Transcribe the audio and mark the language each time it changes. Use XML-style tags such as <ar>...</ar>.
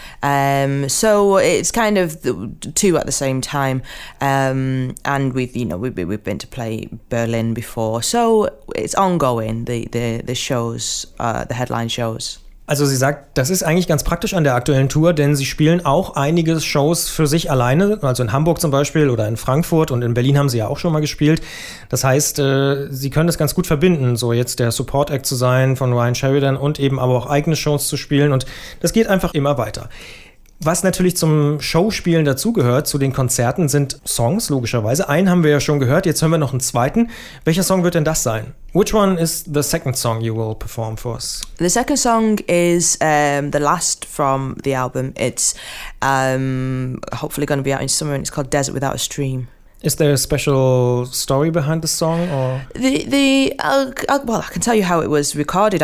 <en>So it's kind of two at the same time. And we've been to play Berlin before, so it's ongoing. The headline shows.</en> <de>Also sie sagt, das ist eigentlich ganz praktisch an der aktuellen Tour, denn sie spielen auch einige Shows für sich alleine, also in Hamburg zum Beispiel oder in Frankfurt, und in Berlin haben sie ja auch schon mal gespielt. Das heißt, sie können das ganz gut verbinden, so jetzt der Support-Act zu sein von Ryan Sheridan und eben aber auch eigene Shows zu spielen, und das geht einfach immer weiter. Was natürlich zum Showspielen dazugehört, zu den Konzerten, sind Songs, logischerweise. Einen haben wir ja schon gehört, jetzt hören wir noch einen zweiten. Welcher Song wird denn das sein?</de> <en>Which one is the second song you will perform for us? The second song is the last from the album. It's hopefully going to be out in summer, and it's called Desert Without a Stream. Is there a special story behind the song, or I can tell you how it was recorded.</en>